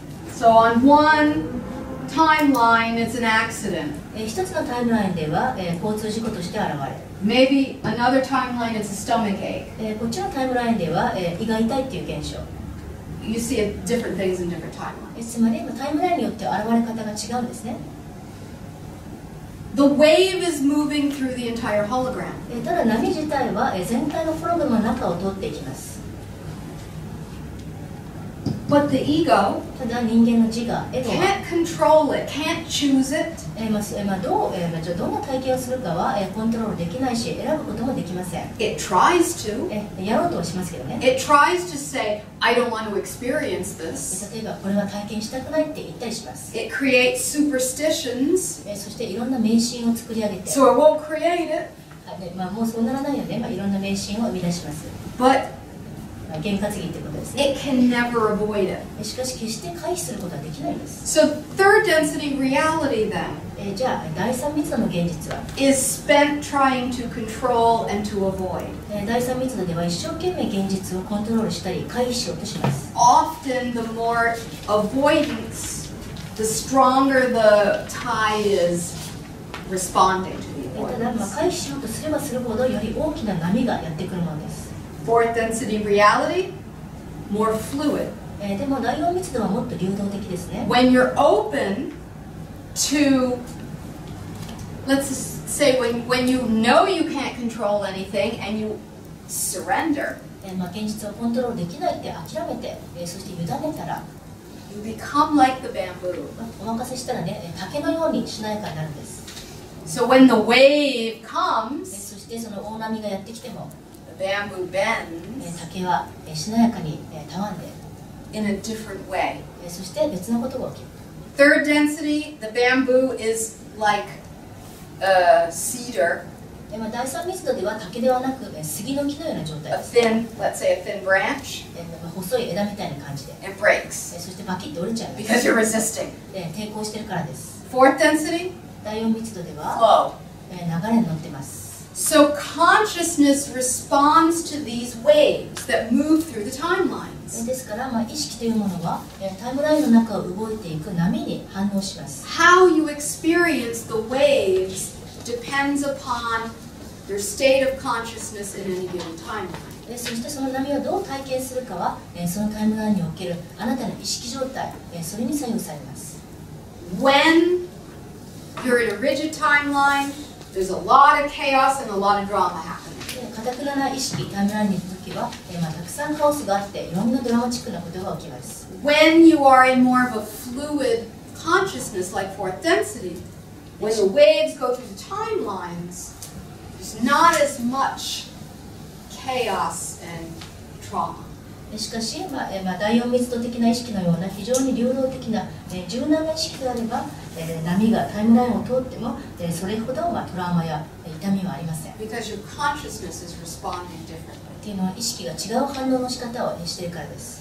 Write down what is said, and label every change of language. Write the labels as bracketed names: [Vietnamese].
[English] So on one timeline, it's an accident. [Japanese] 一つのタイムラインでは、交通事故として現れる。 [English] Maybe another timeline, it's a stomach ache. [Japanese] こっちのタイムラインでは、胃が痛いっていう現象。 [English] You see different things in different timelines. [Japanese] つまり、タイムラインによって現れ方が違うんですね。 [English] The wave is moving through the entire hologram. [Japanese] ただ波自体は、全体のホログラムの中を通っていきます。 [English] But the ego, [Japanese] ただ人間の自我、エゴは、 [English] can't control it, can't choose it. [Japanese] どんな体験をするかは、コントロールできないし、選ぶこともできません。 [English] It tries to. [Japanese] やろうとはしますけどね。 [English] It tries to say, I don't want to experience this. [Japanese] 例えば、これは体験したくないって言ったりします。 [English] It creates superstitions. [Japanese] そして、いろんな迷信を作り上げて。 [English] So it won't create it. [Japanese] もうそうならないよね。いろんな迷信を生み出します。 [English] But, [Japanese] 験担ぎってことです。 [English] It can never avoid it. [Japanese] しかし決して回避することはできないです。 [English] So third density reality then. [Japanese] じゃあ第三密度の現実は [English] is spent trying to control and to avoid. [Japanese] 第三密度では一生懸命現実をコントロールしたり回避しようとします。 [English] Often the more avoidance, the stronger the tide is responding to the avoidance. [Japanese] ただ回避しようとすればするほどより大きな波がやってくるものです。 [English] Fourth density reality. More fluid. [Japanese] でも第四密度はもっと流動的ですね。 [English] When you're open to, let's say when you know you can't control anything and you surrender. [Japanese] まあ現実をコントロールできないって諦めて、そして委ねたら、 [English] you become like the bamboo. [Japanese] お任せしたらね、竹のようにしなやかになるんです。 [English] So when the wave comes, [Japanese] そしてその大波がやってきても。 [English] Bamboo bends. [Japanese] 竹はしなやかにたわんで。 [English] In a different way. [Japanese] そして別のことが起きる。 [English] Third density, the bamboo is like a cedar. [Japanese] でも第三密度では竹ではなく杉の木のような状態。 [English] A thin, let's say a thin branch. [Japanese] 細い枝みたいな感じで。 [English] It breaks. [Japanese] そしてバキッと折れちゃう。 [English] Because you're resisting. [Japanese] 抵抗してるからです。 [English] Fourth density, [Japanese] 第四密度では [English] flow. [Japanese] 流れに乗ってます。 [English] So consciousness responds to these waves that move through the timelines. [Japanese] ですから、まあ、意識というものは、タイムラインの中を動いていく波に反応します。 [English] How you experience the waves depends upon your state of consciousness in any given timeline. [Japanese] そしてその波をどう体験するかは、そのタイムラインにおけるあなたの意識状態、それに左右されます。 [English] When you're in a rigid timeline,There's a lot of chaos and a lot of drama happening. [Japanese] 堅苦な意識、タイムラインにいるときは、たくさんカオスがあって、いろんなドラマチックなことが起きます。 [English] When you are in more of a fluid consciousness, like fourth density, when the waves go through the timelines, there's not as much chaos and trauma. [Japanese] しかし、第四密度的な意識のような非常に流動的な、柔軟な意識であれば、波がタイムラインを通っても、それほど、トラウマや、痛みはありません。 [English] Because your consciousness is responding differently. [Japanese] っていうのは意識が違う反応の仕方をしているからです。